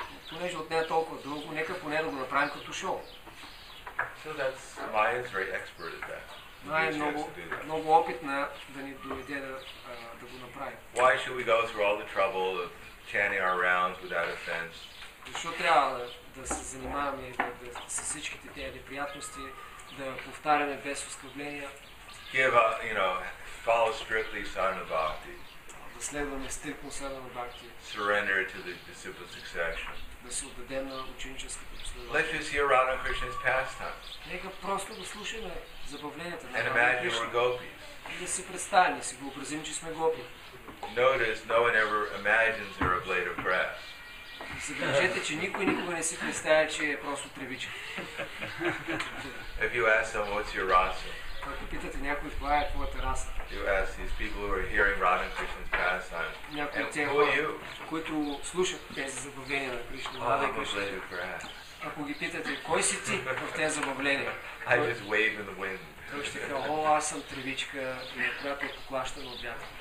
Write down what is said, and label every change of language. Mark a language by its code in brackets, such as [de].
[bg] Понеже отнема толкова дълго, нека поне да го направим като шоу. [en] So that's Maya's very expert at that. [bg] Най много опитна да ни доведе да го направим. [en] Why should we go through all the trouble of chanting our rounds without offense? [bg] Защо трябва да се занимаваме с всичките тези неприятности, да повтаряме без оскърбления? [en] Give up, you know, follow strictly sarana bhakti. [bg] Да следваме стриктно сарана бхакти. [en] Surrender to the disciple succession. [bg] Да се отдадем на ученическата последователност. [en] Let's just hear Radha Krishna's pastime. [bg] Нека просто да слушаме забавленията на Радха Кришна. И да си представим, да си въобразим, че сме гопи. [en] Notice no one ever imagines they're a blade of grass. [bg] Забележете, че никой никога не си представя, че е просто тревичка. [en] If you ask them, what's your rasa? [bg] Ако питате някой, това е твоята раса. [en] You ask these people who are hearing Radha and Krishna's pastime. [bg] Някои от тях, които слушат тези забавления на Кришна, Радха Кришна. [en] I'm a blade of grass. [bg] Ако ги питате, кой си ти в тези забавления? [en] I just wave in the wind. [bg] Той ще каже, о, аз съм тревичка, която е поклащана от вятъра.